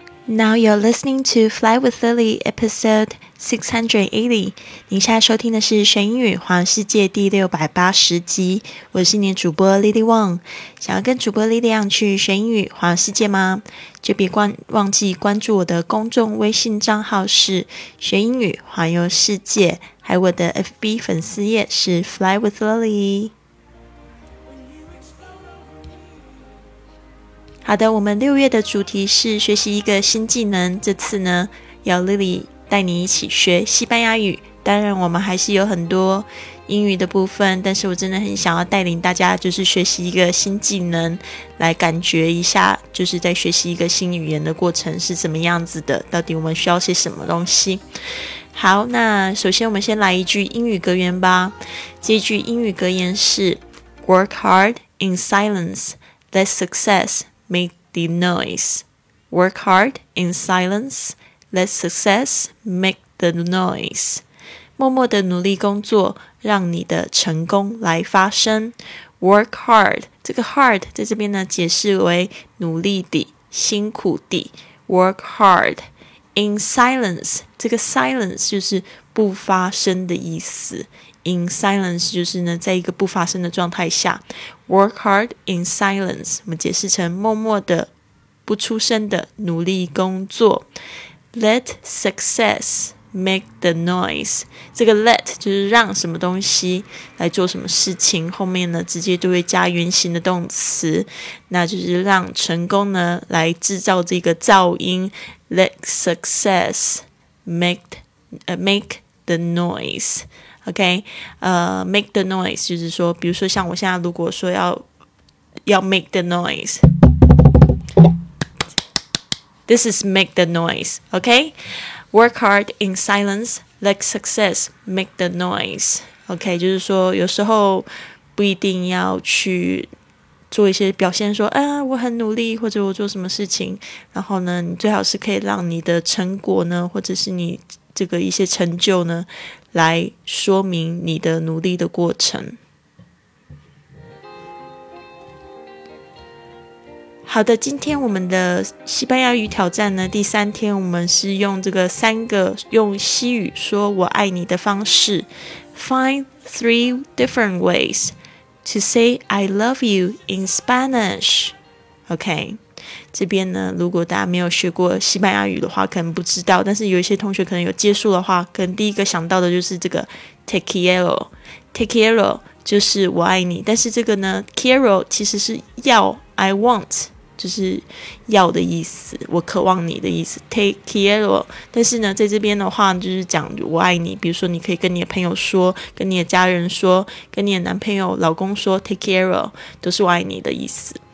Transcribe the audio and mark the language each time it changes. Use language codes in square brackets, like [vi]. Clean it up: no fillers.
[en] Now you're listening to Fly with Lily, episode 680. [zh] 您现在收听的是学英语环游世界第680集。我是您主播 Lily Wang。想要跟主播 Lily Wang 去学英语环游世界吗？就别忘记关注我的公众微信账号是学英语环游世界，还有我的 FB 粉丝页是 Fly with Lily。好的，我们六月的主题是学习一个新技能，这次呢要 Lily 带你一起学西班牙语。当然我们还是有很多英语的部分，但是我真的很想要带领大家就是学习一个新技能，来感觉一下就是在学习一个新语言的过程是怎么样子的，到底我们需要些什么东西。好，那首先我们先来一句英语格言吧。这句英语格言是 [en] Work hard in silence, let successMake the noise. Work hard in silence. Let success make the noise. [zh] 默默的努力工作，让你的成功来发声。 [en] Work hard. [zh] 这个 hard 在这边呢，解释为努力的、辛苦的。 [en] Work hard in silence. [zh] 这个 silence 就是不发声的意思。 In silence 就是呢在一个不发声的状态下。 [en] Work hard in silence [zh] 我们解释成默默的不出声的努力工作。 [en] Let success make the noise， [zh] 这个 let 就是让什么东西来做什么事情，后面呢直接就会加原形的动词，那就是让成功呢来制造这个噪音。 [en] Let success make the noiseOK, make the noise, [zh] 就是说比如说像我现在如果说要 [en] make the noise, this is make the noise, OK? Work hard in silence, let success make the noise, OK? [zh] 就是说有时候不一定要去做一些表现说啊，我很努力或者我做什么事情，然后呢你最好是可以让你的成果呢或者是你这个一些成就呢来说明你的努力的过程。好的，今天我们的西班牙语挑战呢第三天，我们是用这个三个用西语说我爱你的方式。 [en] Find three different ways to say I love you in Spanish. [zh] OK，这边呢如果大家没有学过西班牙语的话可能不知道，但是有一些同学可能有接触的话，可能第一个想到的就是这个 [es] Te quiero， [zh] Te quiero 就是我爱你，但是这个呢 quiero 其实是要 [en] I want [zh] 就是要的意思，我渴望你的意思 Te quiero， 但是呢在这边的话就是讲我爱你，比如说你可以跟你的朋友说，跟你的家人说，跟你的男朋友老公说 Te quiero 都是我爱你的意思。